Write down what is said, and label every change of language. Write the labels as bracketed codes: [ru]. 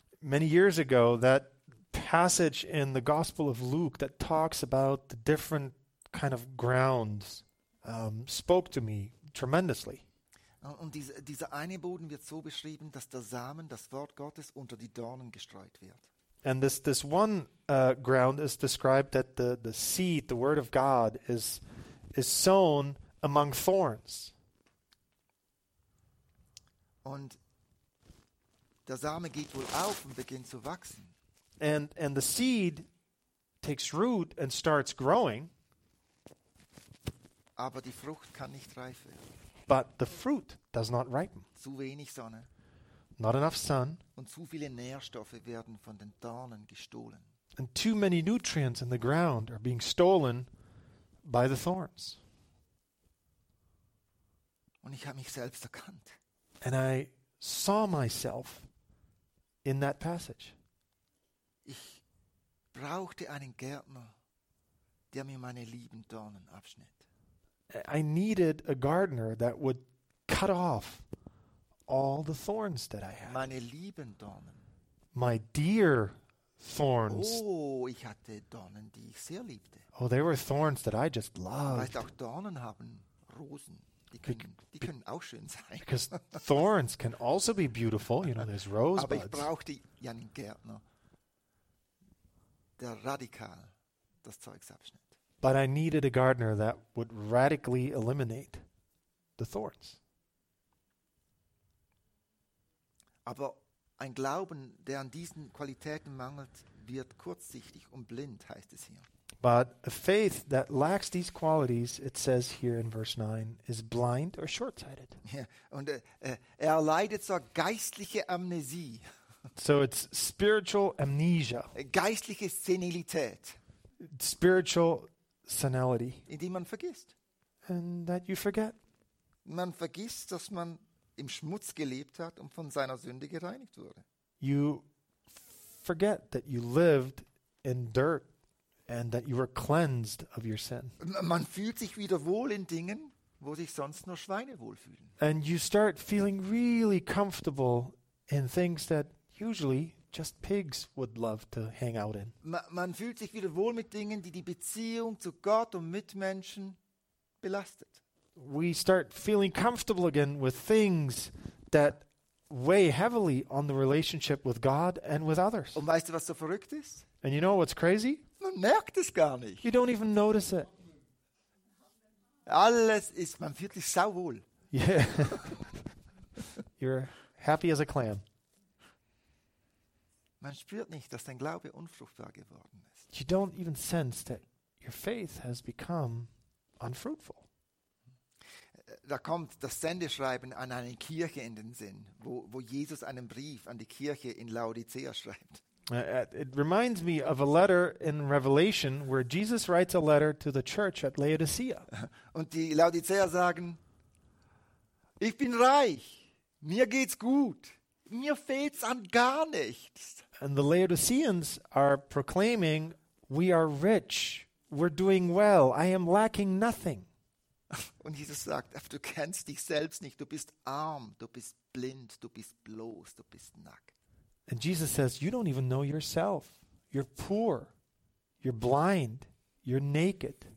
[en] Many years ago, that passage in the Gospel of Luke that talks about the different kind of grounds spoke to me tremendously. [de] Und dieser eine Boden wird so beschrieben, dass der Samen, das Wort Gottes, unter die Dornen gestreut wird. [en] And this one ground is described that the seed, the word of God, is sown among thorns. [de] Und der Same geht wohl auf und beginnt zu wachsen. [en] And the seed takes root and starts growing. [de] Aber die Frucht kann nicht reifen. [en] But the fruit does not ripen. [de] Zu wenig Sonne. [en] Not enough sun. [de] Und zu viele Nährstoffe werden von den Dornen gestohlen. [en] And too many nutrients in the ground are being stolen by the thorns. [de] Und ich habe mich selbst erkannt. [en] And I saw myself in that passage. [de] Ich brauchte einen Gärtner, der mir meine lieben Dornen abschnitt. [en] I needed a gardener that would cut off all the thorns that I had. [de] Meine lieben Dornen. [en] My dear thorns. [de] Oh, ich hatte Dornen, die ich sehr liebte. [en] Oh, they were thorns that I just loved. [de] Vielleicht auch Dornen haben Rosen. Die können auch schön sein. [en] Because thorns can also be beautiful, you know, there's rosebuds. [de] Aber ich brauchte ja einen Gärtner, der radikal das Zeugs abschnitt. [en] But I needed a gardener that would radically eliminate the thorns. [de] Aber ein Glauben, der an diesen Qualitäten mangelt, wird kurzsichtig und blind, heißt es hier. [en] But a faith that lacks these qualities, it says here in verse 9, is blind or short-sighted. [de] Yeah, und er leidet zur geistliche Amnesie. [en] So it's spiritual amnesia. [de] Geistliche Senilität. [en] Spiritual senility. [de] Indem man vergisst. [en] And that you forget. [de] Man vergisst, dass man im Schmutz gelebt hat und von seiner Sünde gereinigt wurde. [en] You forget that you lived in dirt and that you were cleansed of your sin. [de] Man fühlt sich wieder wohl in Dingen, wo sich sonst nur Schweine wohlfühlen. [en] And you start feeling really comfortable in things that usually just pigs would love to hang out in. [de] Man fühlt sich wieder wohl mit Dingen, die die Beziehung zu Gott und Mitmenschen belastet. [en] We start feeling comfortable again with things that weigh heavily on the relationship with God and with others. [de] Und weißt du, was so verrückt ist? [en] And you know what's crazy? [de] Man merkt es gar nicht. [en] You don't even notice it. [de] Alles ist, man fühlt sich sau wohl. [en] Yeah. You're happy as a clam. [de] Man spürt nicht, dass dein Glaube unfruchtbar geworden ist. [en] You don't even sense that your faith has become unfruitful. [de] da kommt das Sendeschreiben an eine Kirche in den Sinn, wo Jesus einen Brief an die Kirche in Laodicea schreibt. [en] It reminds me of a letter in Revelation where Jesus writes a letter to the church at Laodicea. [de] Und die Laodicea sagen, ich bin reich, mir geht's gut, mir fehlt's an gar nichts. [en] And the Laodiceans are proclaiming, we are rich, we're doing well, I am lacking nothing. [de] Und Jesus sagt, du kennst dich selbst nicht, du bist arm, du bist blind, du bist bloß, du bist nackt. [en] And Jesus says, you don't even know yourself. You're poor, you're blind, you're naked.